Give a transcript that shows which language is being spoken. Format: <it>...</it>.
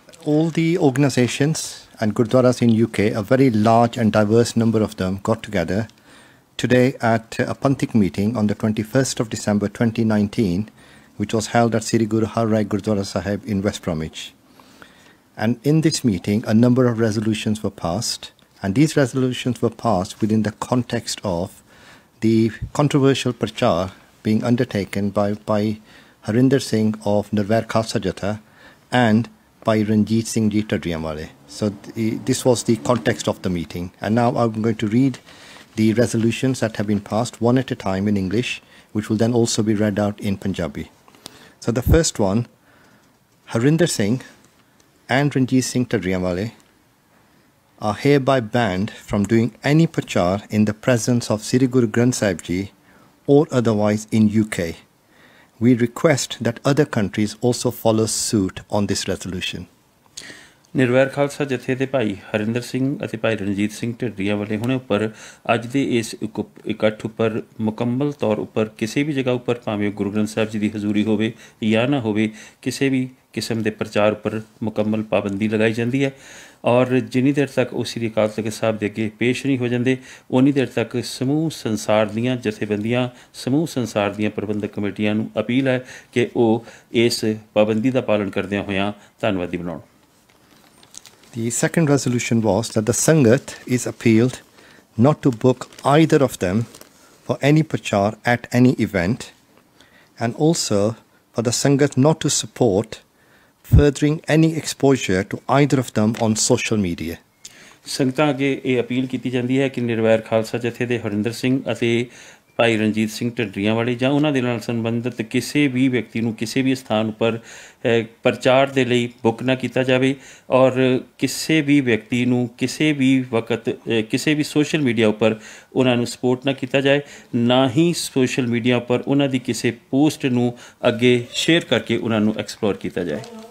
<en>All the organisations and gurdwaras in U K, a very large and diverse number of them got together today at a Panthic meeting on the 21st of December 2019, which was held at Sri Guru Har Rai Gurdwara Sahib in West Bromwich. And in this meeting, a number of resolutions were passed, and these resolutions were passed within the context of the controversial prachar being undertaken by Harinder Singh of Nirvair Khalsa Jatha and by Ranjit Singh Ji Tadriyamwale. So this was the context of the meeting. And now I'm going to read the resolutions that have been passed one at a time in English, which will then also be read out in Punjabi. So the first one, Harinder Singh and Ranjit Singh Tadriyamwale are hereby banned from doing any prachar in the presence of Sri Guru Granth Sahib Ji or otherwise in UK. We request that other countries also follow suit on this resolution.</en> <pa>ਨਿਰਵੈਰ ਖਾਲਸਾ ਜਥੇ ਦੇ ਭਾਈ ਹਰਿੰਦਰ ਸਿੰਘ ਅਤੇ ਭਾਈ ਰਣਜੀਤ ਸਿੰਘ ਢਿੱਡਰੀਆਂ ਵਾਲੇ ਹੁਣੇ ਉੱਪਰ ਅੱਜ ਦੇ ਇਸ ਇਕੱਠ ਉੱਪਰ ਮੁਕੰਮਲ ਤੌਰ ਉੱਪਰ ਕਿਸੇ ਵੀ ਜਗ੍ਹਾ ਉੱਪਰ, ਭਾਵੇਂ ਗੁਰੂ ਗ੍ਰੰਥ ਸਾਹਿਬ ਜੀ ਦੀ ਹਜ਼ੂਰੀ ਹੋਵੇ ਜਾਂ ਨਾ ਹੋਵੇ, ਕਿਸੇ ਵੀ ਕਿਸਮ ਦੇ ਪ੍ਰਚਾਰ ਉੱਪਰ ਮੁਕੰਮਲ ਪਾਬੰਦੀ ਲਗਾਈ ਜਾਂਦੀ ਹੈ। ਔਰ ਜਿੰਨੀ ਦੇਰ ਤੱਕ ਉਹ ਸ੍ਰੀ ਅਕਾਲ ਤਖਤ ਸਾਹਿਬ ਦੇ ਅੱਗੇ ਪੇਸ਼ ਨਹੀਂ ਹੋ ਜਾਂਦੇ, ਉਨੀ ਦੇਰ ਤੱਕ ਸਮੂਹ ਸੰਸਾਰ ਦੀਆਂ ਜਥੇਬੰਦੀਆਂ, ਸਮੂਹ ਸੰਸਾਰ ਦੀਆਂ ਪ੍ਰਬੰਧਕ ਕਮੇਟੀਆਂ ਨੂੰ ਅਪੀਲ ਹੈ ਕਿ ਉਹ ਇਸ ਪਾਬੰਦੀ ਦਾ ਪਾਲਣ ਕਰਦਿਆਂ ਹੋਇਆਂ ਧੰਨਵਾਦੀ ਬਣਾਉਣ।</pa> <en>The second resolution was that the Sangat is appealed not to book either of them for any prachar at any event, and also for the Sangat not to support furthering any exposure to either of them on social media.</en> <pa>Sangatan age eh appeal kiti jandi hai ki Nirvair Khalsa Jathe de Harinder Singh ate Bhai Ranjit Singh Dhadrian ਵਾਲੇ ਜਾਂ ਉਹਨਾਂ ਦੇ ਨਾਲ ਸੰਬੰਧਿਤ ਕਿਸੇ ਵੀ ਵਿਅਕਤੀ ਨੂੰ ਕਿਸੇ ਵੀ ਸਥਾਨ ਉੱਪਰ ਪ੍ਰਚਾਰ ਦੇ ਲਈ ਬੁੱਕ ਨਾ ਕੀਤਾ ਜਾਵੇ ਔਰ ਕਿਸੇ ਵੀ ਵਿਅਕਤੀ ਨੂੰ ਕਿਸੇ ਵੀ ਵਕਤ ਕਿਸੇ ਵੀ ਸੋਸ਼ਲ ਮੀਡੀਆ ਉੱਪਰ ਉਹਨਾਂ ਨੂੰ ਸਪੋਰਟ ਨਾ ਕੀਤਾ ਜਾਵੇ, ਨਾ ਹੀ ਸੋਸ਼ਲ ਮੀਡੀਆ ਉੱਪਰ ਉਹਨਾਂ ਦੀ ਕਿਸੇ ਪੋਸਟ ਨੂੰ ਅੱਗੇ ਸ਼ੇਅਰ ਕਰਕੇ ਉਹਨਾਂ ਨੂੰ ਐਕਸਪਲੋਰ ਕੀਤਾ ਜਾਵੇ।</pa>